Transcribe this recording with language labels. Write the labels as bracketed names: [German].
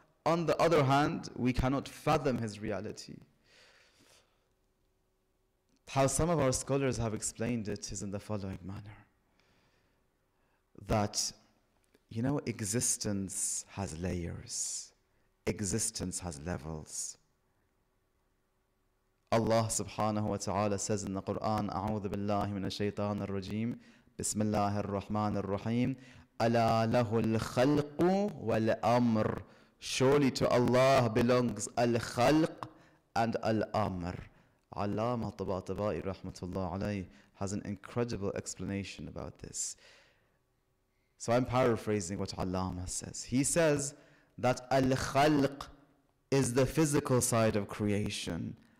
[English] On the other hand, we cannot fathom his reality. How some of our scholars have explained it is in the following manner. That, you know, existence has layers. Existence has levels. Allah subhanahu wa ta'ala says in the Quran, [Arabic] أعوذ بالله من الشيطان الرجيم بسم الله الرحمن الرحيم ألا له الخلق والأمر. [English] Surely to Allah belongs الخلق and الأمر. علامه طباطبائي [Arabic] رحمة الله عليه [English] has an incredible explanation about this. So I'm paraphrasing what Allama says. He says that al-khalq is the physical side of creation.